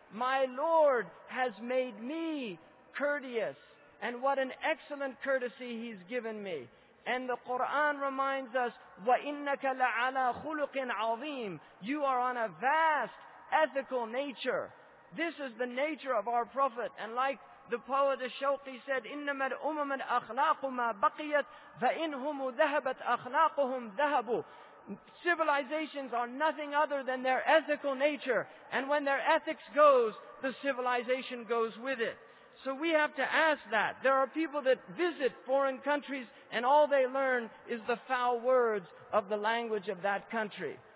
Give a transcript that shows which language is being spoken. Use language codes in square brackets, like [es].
[en] My Lord has made me courteous. And what an excellent courtesy He's given me. And the Qur'an reminds us, [ar] وَإِنَّكَ لَعَلَى خُلُقٍ عَظِيمٍ. [en] You are on a vast ethical nature. This is the nature of our Prophet. And like the poet Ash-Shawqi said, [ar] إِنَّمَا الْأُمَمَ الْأَخْلَاقُ مَا بَقِيَتْ فَإِنْهُمُ ذَهَبَتْ أَخْلَاقُهُمْ ذَهَبُوا. [en] Civilizations are nothing other than their ethical nature. And when their ethics goes, the civilization goes with it. So we have to ask that. There are people that visit foreign countries and all they learn is the foul words of the language of that country.